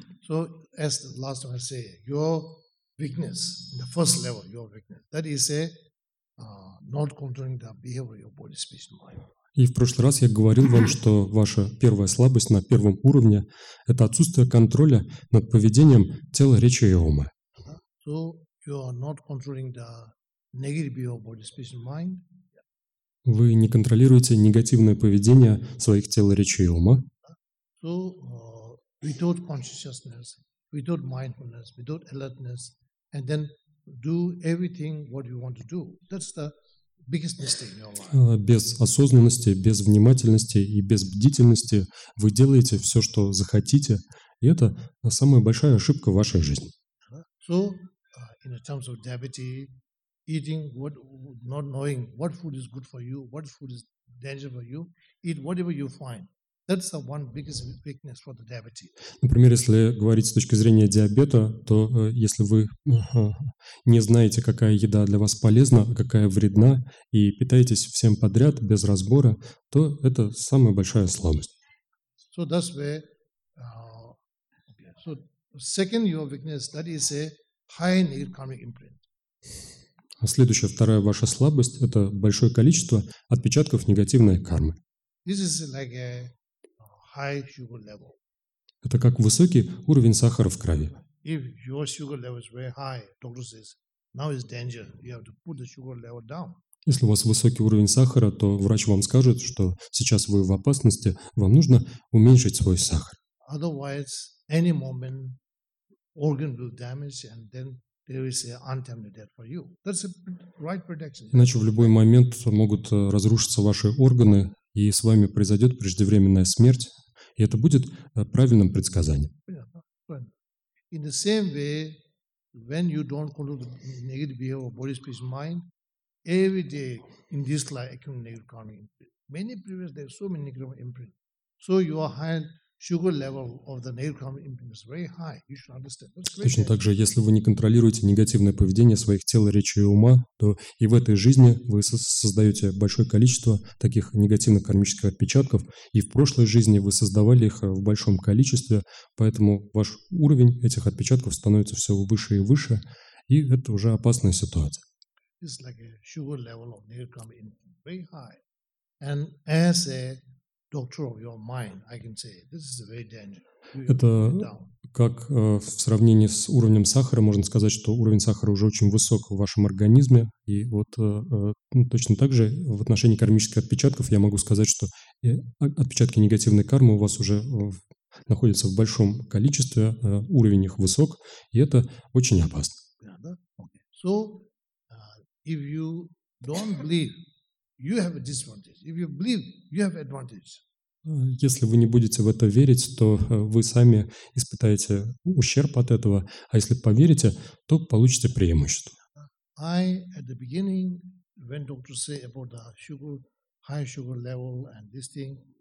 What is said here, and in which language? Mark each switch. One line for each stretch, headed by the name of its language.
English: So, as the last one I say, your weakness, the first level, your weakness, that is a not controlling the behavior of your body, speech, and mind.
Russian: И в прошлый раз я говорил вам, что ваша первая слабость на первом уровне – это отсутствие контроля над поведением тела, речи и ума.
English: So you are not controlling the negative behavior of body, speech and mind.
Russian: Вы не контролируете негативное поведение своих тела, речи и ума.
English: So without consciousness, without mindfulness, without alertness, and then do everything what you want to do. That's the biggest mistake in your life.
Russian: Без осознанности, без внимательности и без бдительности вы делаете все, что захотите, и это самая большая ошибка в вашей жизни.
English: So, in terms of diabetes, eating what, not knowing what food is good for you, what food is dangerous for you, eat whatever you find. That's the one biggest weakness for the diabetes.
Russian: Например, если говорить с точки зрения диабета, то если вы не знаете, какая еда для вас полезна, какая вредна, и питаетесь всем подряд без разбора, то это самая большая слабость.
English: So that's where, so second your weakness, that is a high negative karmic imprint.
Russian: А следующая, вторая ваша слабость – это большое количество отпечатков негативной кармы.
English: This is like a high sugar level.
Russian: Это как высокий уровень сахара в крови.
English: If your sugar level is very high, doctor says, now is danger. You have to put the sugar level down.
Russian: Если у вас высокий уровень сахара, то врач вам скажет, что сейчас вы в опасности, вам нужно уменьшить свой сахар.
English: Otherwise, any moment, organ will damage, and then there is an untimely death for you. That's a right prediction.
Russian: Иначе в любой момент могут разрушиться ваши органы. И с вами произойдет преждевременная смерть, и это будет правильным предсказанием.
English: In the same way, when you don't control the negative behavior of body, speech, mind, every day in this life accumulate negative karmic imprint. Many previous days, so many negative imprint. So your high sugar level of the negative karmic imprint is very high. You should understand.
Russian: Точно так же, если вы не контролируете негативное поведение своих тел, речи и ума, то и в этой жизни вы создаете большое количество таких негативных кармических отпечатков, и в прошлой жизни вы создавали их в большом количестве, поэтому ваш уровень этих отпечатков становится все выше и выше, и это уже опасная ситуация.
English: It's like a sugar level of negative karmic imprint, very high. And as a doctor of your mind, I can say this is very dangerous.
Russian: Это как в сравнении с уровнем сахара, можно сказать, что уровень сахара уже очень высок в вашем организме. И вот точно так же в отношении кармических отпечатков я могу сказать, что отпечатки негативной кармы у вас уже находятся в большом количестве, уровень их высок, и это очень опасно.
English: Yeah, okay. So, if you don't believe, you have a disadvantage. If you believe, you have advantage.
Russian: Если вы не будете в это верить, то вы сами испытаете ущерб от этого, а если поверите, то получите преимущество.
English: I, at the beginning, when doctors say about the sugar, high sugar level and this thing,